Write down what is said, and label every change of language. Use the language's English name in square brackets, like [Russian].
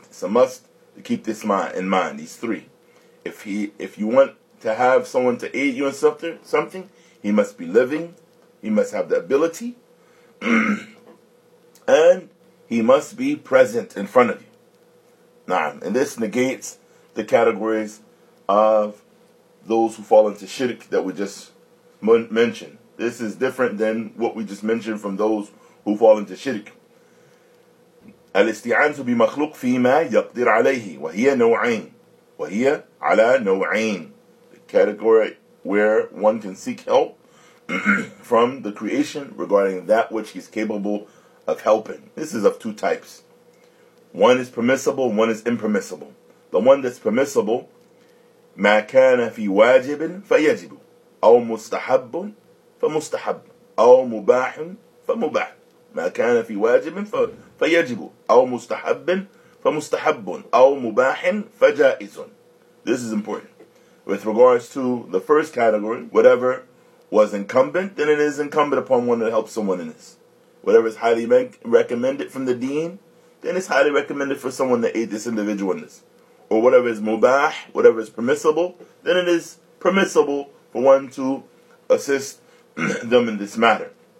[English] It's a must to keep this in mind, these three. If you want to have someone to aid you in something, he must be living, he must have the ability, and he must be present in front of you. Naam. And this negates the categories of those who fall into shirk that we just mentioned. This is different than what we just mentioned from those who fall into shirk. [Arabic] الاستعانتُ بمخلوق فيما يقدر عليه وهي نوعين وهي على نوعين. [English] The category where one can seek help from the creation regarding that which he's capable of helping. This is of two types. One is permissible, one is impermissible. The one that's permissible, [Arabic] ما كان في واجب فيجب أو مستحب فمستحب أو مباح فمباح. ما كان في واجب فيجب أو مستحب فمستحب أو مباح فجائز. [English] This is important. With regards to the first category, whatever was incumbent, then it is incumbent upon one to help someone in this. Whatever is highly recommended from the deen, then it's highly recommended for someone to aid this individual in this. Or whatever is mubah, whatever is permissible, then it is permissible for one to assist them in this matter.